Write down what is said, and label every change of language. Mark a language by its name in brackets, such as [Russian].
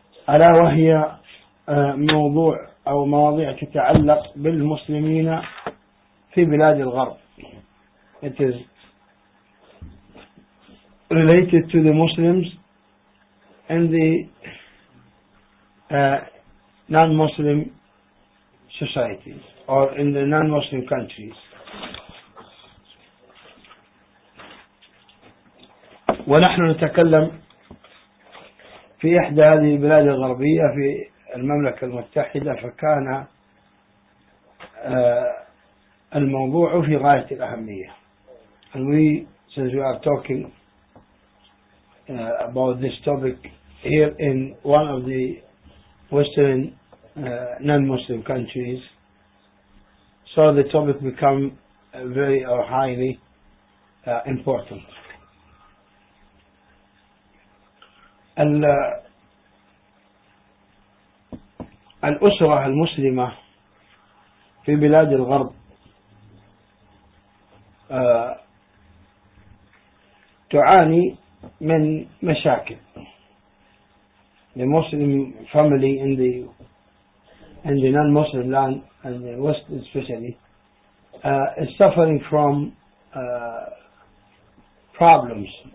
[Arabic] ألا وهي موضوع أو مواضيع تتعلق بالمسلمين في بلاد الغرب. [English] It is related to the Muslims and the non-Muslim societies or in the non-Muslim countries. [Arabic] ونحن نتكلم في إحدى هذه البلاد الغربية في المملكة المتحدة، فكان الموضوع في غاية الأهمية. [English] And we, since we are talking about this topic here in one of the Western non-Muslim countries, so the topic become very or highly important. [Arabic] الأسرة المسلمة في بلاد الغرب تعاني من مشاكل. [English] The Muslim family in the non-Muslim land and the West especially is suffering from problems.